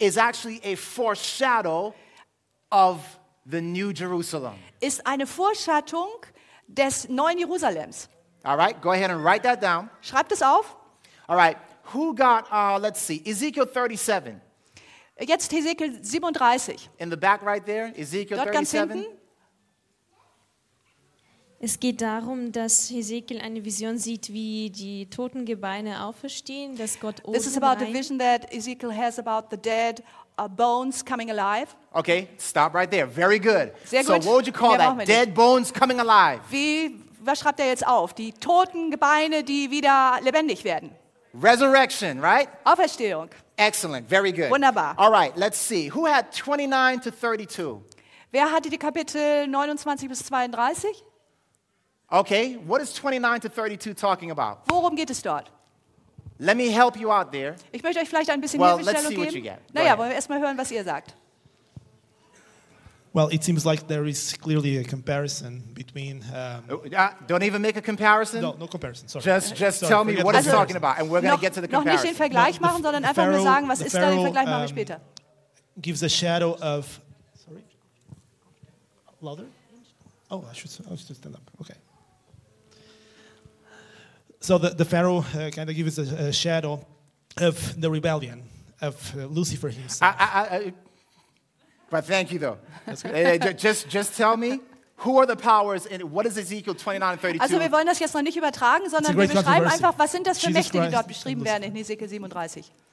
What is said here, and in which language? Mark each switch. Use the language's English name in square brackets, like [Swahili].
[English] Is actually a foreshadow of the New Jerusalem. [German] Ist eine Vorschattung des neuen Jerusalems. [English] All right, go ahead and write that down. [German] Schreibt es auf. [English] All right, who got? Let's see, Ezekiel 37. [German] Jetzt Hesekiel 37. [English] In the back, right there, Ezekiel 37. [German] Es geht darum, dass Hesekiel eine Vision sieht, wie die toten Gebeine auferstehen, dass Gott Odem [English] This is about the vision that Ezekiel has about the dead bones coming alive. Okay, stop right there. Very good. [German] Sehr so gut. [English] What would you call [German] Mehr [English] that? Dead bones coming alive. [German] Was schreibt er jetzt auf? Die toten Gebeine, die wieder lebendig werden. [English] Resurrection, right? [German] Auferstehung. [English] Excellent. Very good. [German] Wunderbar. [English] All right, let's see. Who had 29 to 32? [German] Wer hatte die Kapitel 29 bis 32? [English] Okay, what is 29 to 32 talking about? [German] Worum geht es dort? [English] Let me help you out there. [German] Ich möchte euch vielleicht ein bisschen Hilfestellung geben. [English] Well, let's see what you get. [German] Naja, wollen wir erstmal hören, was ihr sagt. [English] Well, it seems like there is clearly a comparison between... Don't even make a comparison. No comparison, sorry. Just sorry, tell me what it's talking about, and we're going to get to the comparison. [German] Noch nicht den Vergleich machen, sondern einfach nur sagen, was ist da, den Vergleich machen wir später. [English] Gives a shadow of... Sorry? Louder? Oh, I should stand up. Okay. So the Pharaoh kind of gives a shadow of the rebellion of Lucifer himself. But thank you though. That's good. just tell me who are the powers and what is Ezekiel 29 and 32? [German] Also wir wollen das jetzt noch nicht übertragen, sondern wir beschreiben einfach, was sind das für Mächte, die dort beschrieben werden in Ezekiel 37?